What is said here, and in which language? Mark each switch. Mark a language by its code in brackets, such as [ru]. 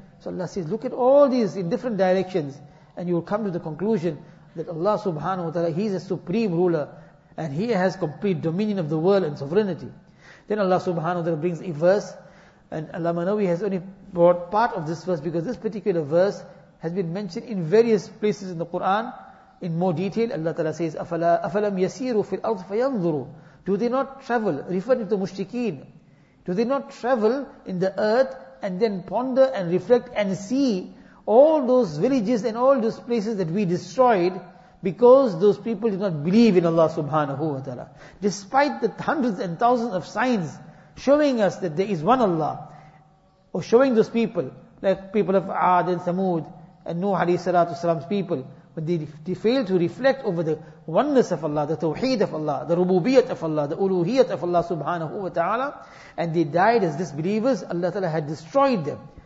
[en] So Allah says, look at all these in different directions, and you will come to the conclusion that Allah subhanahu wa ta'ala, He is a supreme ruler. And He has complete dominion of the world and sovereignty. Then Allah subhanahu wa ta'ala brings a verse, and Allama Nawawi has only brought part of this verse because this particular verse has been mentioned in various places in the Quran in more detail. Allah ta'ala says, [ar] أَفَلَمْ يَسِيرُوا فِي الْأَرْضِ فَيَنْظُرُوا. [en] Do they not travel? Refer to the mushrikeen. Do they not travel in the earth and then ponder and reflect and see all those villages and all those places that we destroyed because those people did not believe in Allah subhanahu wa ta'ala. Despite the hundreds and thousands of signs showing us that there is one Allah, or showing those people, like people of Aad and Thamud and Nuh alayhi salatu salam's people, when they fail to reflect over the oneness of Allah, the tawheed of Allah, the rububiyat of Allah, the uluhiyat of Allah subhanahu wa ta'ala, and they died as disbelievers, Allah ta'ala had destroyed them.